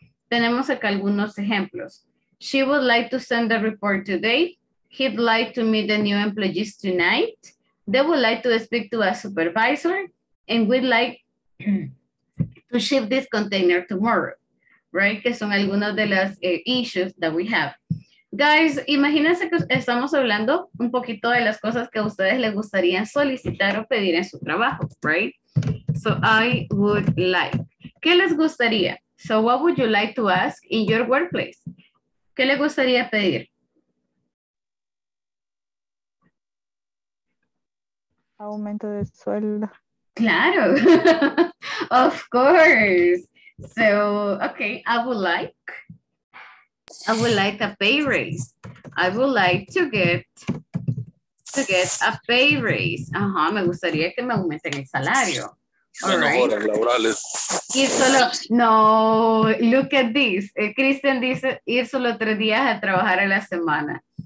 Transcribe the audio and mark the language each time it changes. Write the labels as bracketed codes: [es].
[es] Tenemos acá algunos ejemplos. [en] She would like to send a report today. He'd like to meet the new employees tonight. They would like to speak to a supervisor. And we'd like to ship this container tomorrow. [es] Right, que son algunas de las issues [en] that we have. [es] Guys, imagínense que estamos hablando un poquito de las cosas que a ustedes les gustaría solicitar o pedir en su trabajo, right? [en] So I would like. [es] ¿Qué les gustaría? [en] So what would you like to ask in your workplace? [es] ¿Qué les gustaría pedir? aumento de sueldo. Claro. [en] Of course. So, okay, I would like a pay raise. I would like to get a pay raise. [es] Ajá, me gustaría que me aumenten el salario. [en] Right. [es] Y solo, no, [en] look at this. [es] Christian dice ir solo 3 días a trabajar a la semana.